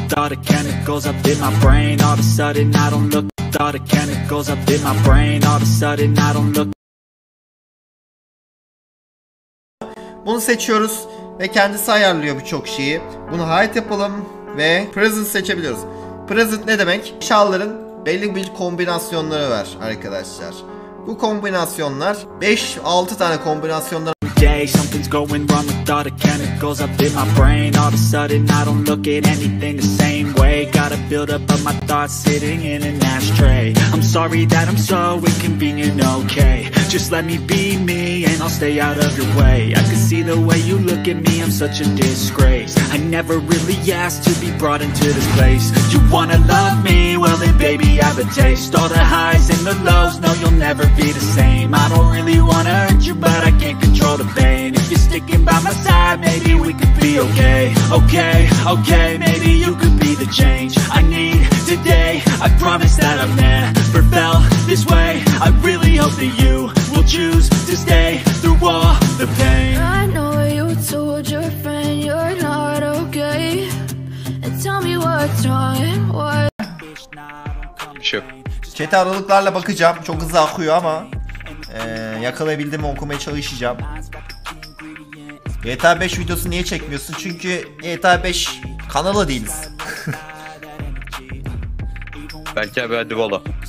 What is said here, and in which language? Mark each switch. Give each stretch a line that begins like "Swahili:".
English: all the chemicals up in my brain. All of a sudden I don't look. All the chemicals up in my brain. All of a sudden I don't look.
Turkish: Bunu seçiyoruz ve kendisi ayarlıyor birçok şeyi. Bunu hide yapalım ve present seçebiliyoruz. Present ne demek? Şalların belli bir kombinasyonları var arkadaşlar. Bu kombinasyonlar 5-6 tane kombinasyonlar.
English: Something's going wrong with all the chemicals up in my brain. All of a sudden I don't look at anything the same way. Gotta build up of my thoughts sitting in an ashtray. I'm sorry that I'm so inconvenient, okay. Just let me be me and I'll stay out of your way. I can see the way you look at me, I'm such a disgrace. I never really asked to be brought into this place. You wanna love me, well then baby I have a taste. All the highs and the lows, no you'll never be the same. I don't really wanna hurt you, but I can't control the pain. If you're sticking by my side, maybe we could be okay. Okay, okay, maybe you could be the change I need today. I promise that I've never felt this way. I really hope that you will choose to stay through all the pain. I know you told your friend you're not okay. And tell me what's wrong and what.
Turkish: Chat'e aralıklarla bakacağım. Çok hızlı akıyor ama yakalayabildim mi okumaya çalışacağım. GTA 5 videosu niye çekmiyorsun? Çünkü GTA 5 kanalı değiliz. Belki abi hadi valla.